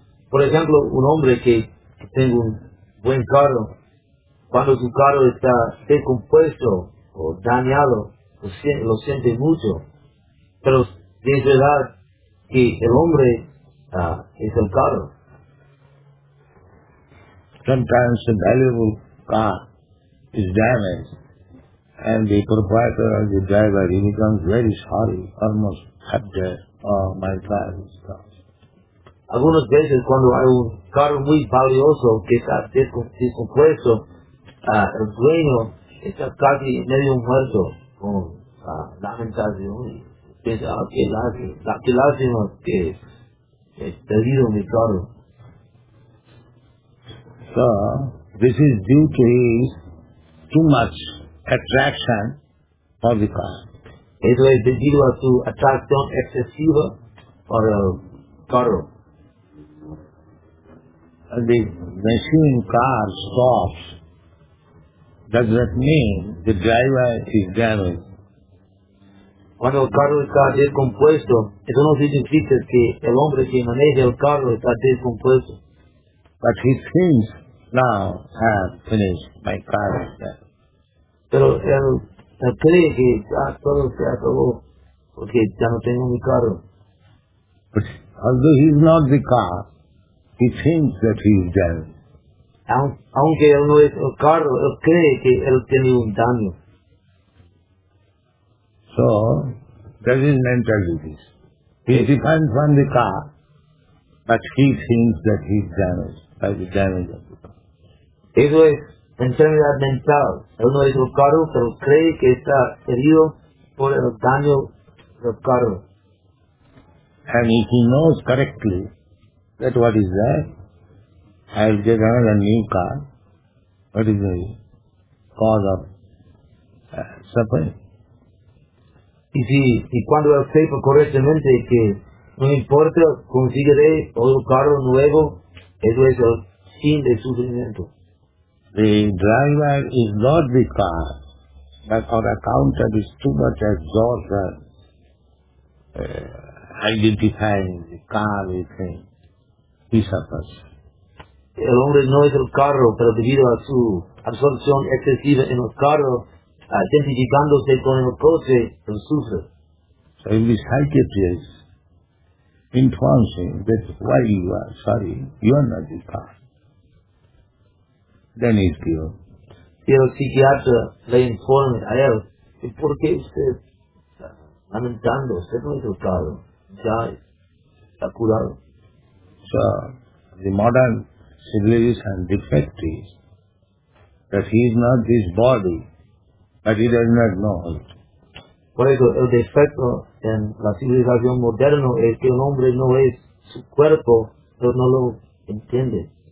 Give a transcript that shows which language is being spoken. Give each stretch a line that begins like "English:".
Spanish: Por ejemplo, un hombre que tenga un buen carro, cuando su carro está descompuesto o dañado, lo siente mucho. Pero es verdad que el hombre es el carro.
English: Sometimes a valuable car is damaged, and the proprietor or the driver, he becomes very sorry, almost upset. Oh, my car is gone.
Spanish: Algunas veces cuando hay un carro muy valioso que está descompuesto, el dueño está casi medio muerto con lamentación. Piensa, qué lástima que he perdido mi carro.
English: So, this is due to his too much attraction for the car.
Spanish: Eso es debido a su atracción excesiva por el carro.
English: The machine car stops. Does that mean the driver is damaged?
Spanish: Cuando el carro está descompuesto, eso no significa que el hombre que maneja el carro está descompuesto.
English: But he thinks, now I have finished my car.
Spanish: Pero él cree que ya todo se acabó porque ya no tengo mi carro.
English: But although he is not the car, he thinks that he is damaged.
Spanish: Aunque él no es el carro, él cree que él tiene un daño.
English: So, that is mental disease. He is defined from the car, but he thinks that he is damaged by the damage of the car.
Spanish: Eso es enfermedad mental. Él no es el carro, pero cree que está herido por el daño del carro.
English: And if he knows correctly that what is that, I'll get another new car. What is the cause of Sapere.
Spanish: Y cuando lo sepa correctamente, que no importa, conseguiré otro carro nuevo, eso es el fin de sufrimiento.
English: The driver is not the car, but on account of his too much exhaustion, identifying the car with him, he suffers.
Spanish: El hombre no es el carro, pero debido a su absorción excesiva en el carro, identificándose con el coche, él sufre.
English: So in this psychiatrist informs him that why you are sorry, you are not the car. Then he's killed.
Spanish: Y el psiquiatra le informa a él, ¿y por qué usted está lamentando? Usted no es el carro, ya está curado.
English: So, the modern civilization defect is that he is not this body, but he does not know it.
Spanish: Por eso el defecto en la civilización moderna es que el hombre no es su cuerpo, pero no lo entiende.